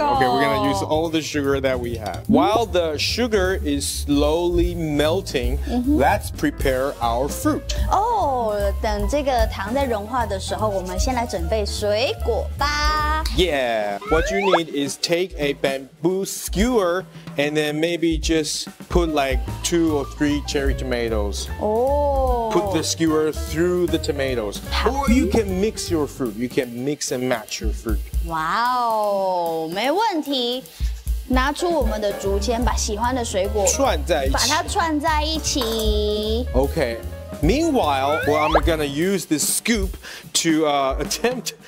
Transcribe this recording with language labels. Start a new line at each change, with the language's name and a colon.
English: Okay, we're gonna use all the sugar that we have. While the sugar is slowly melting, let's prepare our fruit.
Chinese: Oh, 等这个糖在融化的时候，我们先来准备水果吧。
English: Yeah, what you need is take a bamboo skewer and then maybe just put like 2 or 3 cherry tomatoes. Oh. Put the skewer through the tomatoes. Or you can mix your fruit. You can mix and match your fruit.
Chinese: Wow, 没问题。拿出我们的竹签，把喜欢的水果串在一起，把它串在一起。 Okay.
English: Meanwhile, well, I'm gonna use this scoop to attempt.